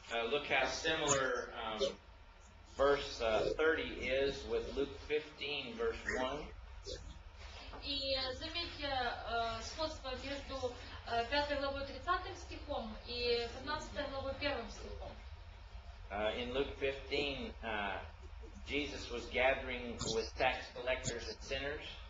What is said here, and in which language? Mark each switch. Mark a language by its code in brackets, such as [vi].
[en] Look how similar verse 30 is with Luke 15, verse 1. [ru] И заметьте сходство между 5 главой 30 стихом и 15 главой 1 стихом. [en] In Luke 15, Jesus was gathering with tax collectors and sinners.